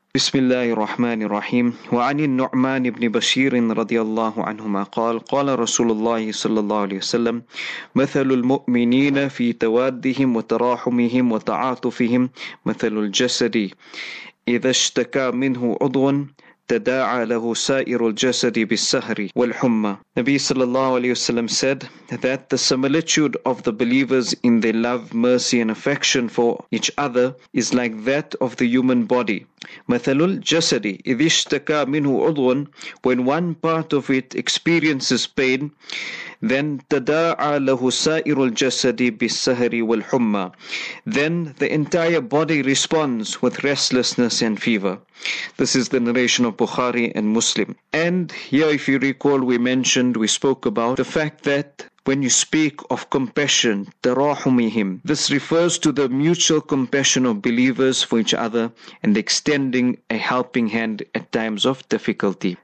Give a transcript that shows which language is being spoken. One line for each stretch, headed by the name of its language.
Arabic: بسم الله الرحمن الرحيم وعن النعمان بن بشير رضي الله عنهما قال قال رسول الله صلى الله عليه وسلم مثل المؤمنين في توادهم وتراحمهم وتعاطفهم مثل الجسد إذا اشتكى منه عضو تداعى له سائر الجسد بالسهر والحمى.
English: Nabi sallallahu alayhi wasallam said that the similitude of the believers in their love, mercy and affection for each other is like that of the human body.
Arabic: مثل الجسد إذ اشتكى منه عضو,
English: when one part of it experiences pain, then
Arabic: تداعى له سائر الجسد بالسهر والحمى.
English: Then the entire body responds with restlessness and fever. This is the narration of Bukhari and Muslim. And here, if you recall, we spoke about the fact that when you speak of compassion, tarahumihim, this refers to the mutual compassion of believers for each other and extending a helping hand at times of difficulty.